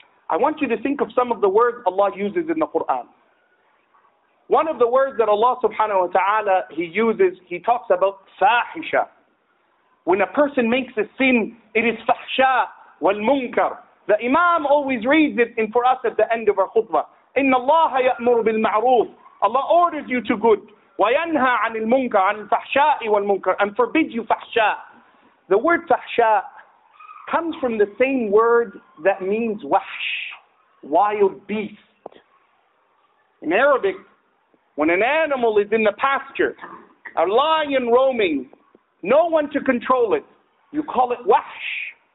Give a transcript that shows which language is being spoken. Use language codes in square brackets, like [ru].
[en] I want you to think of some of the words Allah uses in the Quran. One of the words that Allah subhanahu wa ta'ala, He uses, He talks about fahisha. When a person makes a sin, it is fahsha wal-munkar. The Imam always reads it in for us at the end of our khutbah. [ar] إِنَّ اللَّهَ يَأْمُرُ بِالْمَعْرُوفِ. [en] Allah orders you to good. [ar] وَيَنْهَى عَنِ الْمُنْكَرِ عَنِ الْفَحْشَاءِ وَالْمُنْكَرِ [en] and forbid you fahsha. The word fahsha comes from the same word that means wahsh, wild beast. In Arabic, when an animal is in the pasture, a lion roaming, no one to control it, you call it wahsh.